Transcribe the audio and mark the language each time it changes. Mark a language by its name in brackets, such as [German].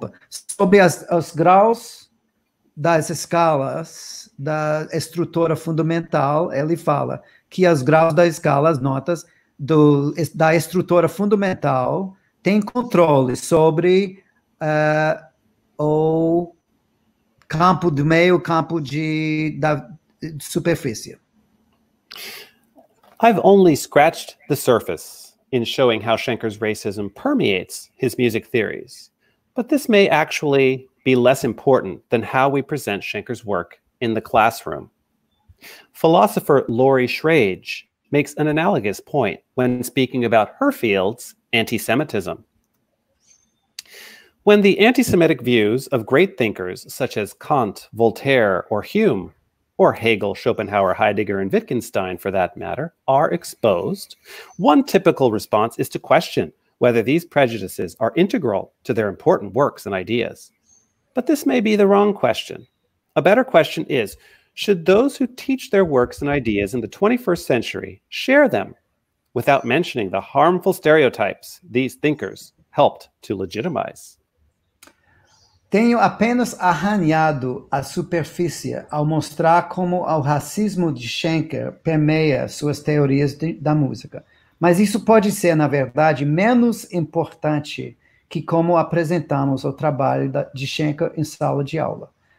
[Portuguese] sobre os graus das escalas da estrutura fundamental, ele fala que os graus das escalas, notas, da estrutura fundamental têm controle sobre o campo do meio, campo da superfície. [English] I've only scratched the surface in showing how Schenker's racism permeates his music theories, but this may actually be less important than how we present Schenker's work in the classroom. Philosopher Lori Schrage makes an analogous point when speaking about her field's anti-Semitism. When the anti-Semitic views of great thinkers such as Kant, Voltaire, or Hume, or Hegel, Schopenhauer, Heidegger, and Wittgenstein, for that matter, are exposed, one typical response is to question whether these prejudices are integral to their important works and ideas. But this may be the wrong question. A better question is, should those who teach their works and ideas in the 21st century share them without mentioning the harmful stereotypes these thinkers helped to legitimize? [Portuguese] Tenho apenas arranhado a superfície ao mostrar como o racismo de Schenker permeia suas teorias da música. Mas isso pode ser, na verdade, menos importante que como apresentamos o trabalho de Schenker em sala de aula.